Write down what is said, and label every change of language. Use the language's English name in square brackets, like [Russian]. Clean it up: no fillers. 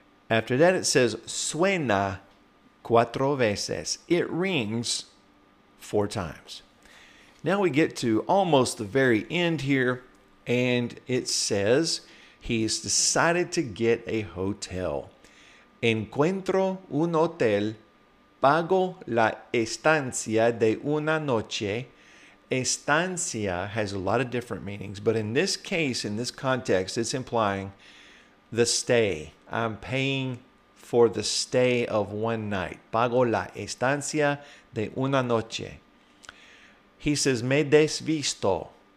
[English] After that it says, [Spanish] suena cuatro veces, [English] it rings four times. Now we get to almost the very end here, and it says, he's decided to get a hotel. [Spanish] Encuentro un hotel, pago la estancia de una noche. [English] Estancia has a lot of different meanings, but in this case, in this context, it's implying the stay. I'm paying for the stay of one night. [Spanish] Pago la estancia de una noche. [English] He says, [Spanish] me desvisto.